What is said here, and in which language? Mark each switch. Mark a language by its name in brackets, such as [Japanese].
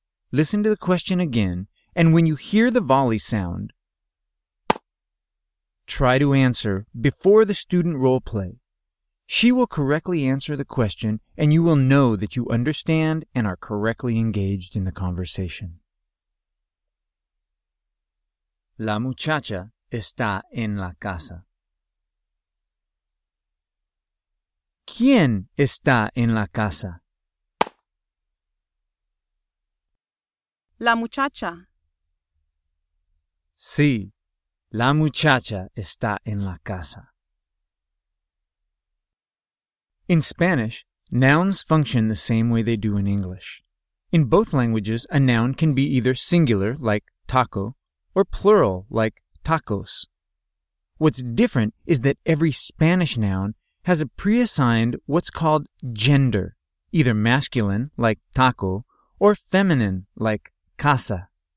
[English] Listen to the question again, and when you hear the volley sound, try to answer before the student role play. She will correctly answer the question, and you will know that you understand and are correctly engaged in the conversation. [Spanish] La muchacha está en la casa. ¿Quién está en la casa? La muchacha. Sí, la muchacha está en la casa. [English] In Spanish, nouns function the same way they do in English. In both languages, a noun can be either singular, like taco, or plural, like tacos. What's different is that every Spanish noun has a pre-assigned what's called gender, either masculine, like taco, or feminine, like casa.